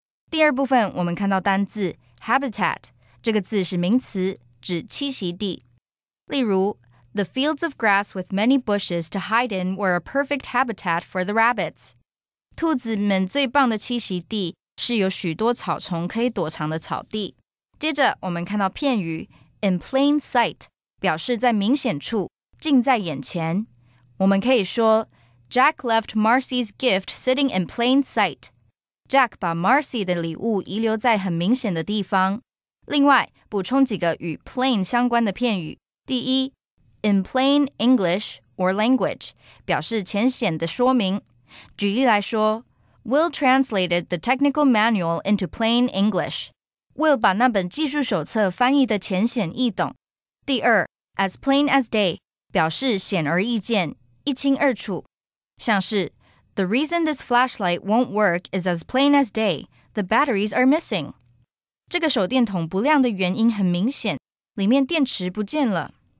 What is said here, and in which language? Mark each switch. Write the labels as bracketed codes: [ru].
[zh] 第二部分我们看到单字 habitat, 这个字是名词指栖息地。例如 [en] the fields of grass with many bushes to hide in were a perfect habitat for the rabbits. [zh] 兔子们最棒的栖息地是有许多草丛可以躲藏的草地。接着我们看到片语 [en] in plain sight, [zh] 表示在明显处。近在眼前，我们可以说 [en] Jack left Marcy's gift sitting in plain sight. [zh] Jack 把 Marcy 的礼物遗留在很明显的地方。另外，补充几个与 plain 相关的片语。第一 ， [en] in plain English or language [zh] 表示浅显的说明。举例来说 [en] ，Will translated the technical manual into plain English. [zh] Will 把那本技术手册翻译得浅显易懂。第二 [en] ，as plain as day. [zh] 表示显而易见，一清二楚。像是 [en] The reason this flashlight won't work is as plain as day. The batteries are missing. [zh] 这个手电筒不亮的原因很明显，里面电池不见了。